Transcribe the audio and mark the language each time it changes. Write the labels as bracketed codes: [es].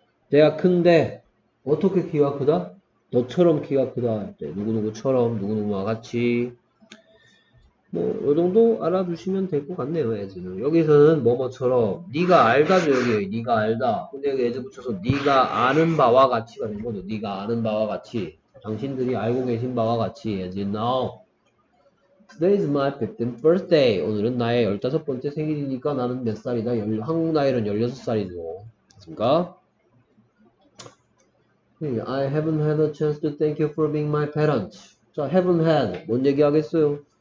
[ko] 내가 큰데 어떻게 키가 크다? 너처럼 키가 크다 할때 누구누구처럼, 누구누구와 같이. 뭐요 정도 알아두시면 될것 같네요. as는 여기서는 뭐뭐처럼 네가 알다죠. 여기 네가 알다. 근데 여기 as 붙여서 네가 아는 바와 같이가 된 거죠. 네가 아는 바와 같이, 당신들이 알고 계신 바와 같이. [en] as you know, today is my 15th birthday. [ko] 오늘은 나의 15번째 생일이니까 나는 몇 살이다? 한국 나이는 16살이죠. 그니까 [en] I haven't had a chance to thank you for being my parents. [ko] 자, haven't had 뭔 얘기 하겠어요?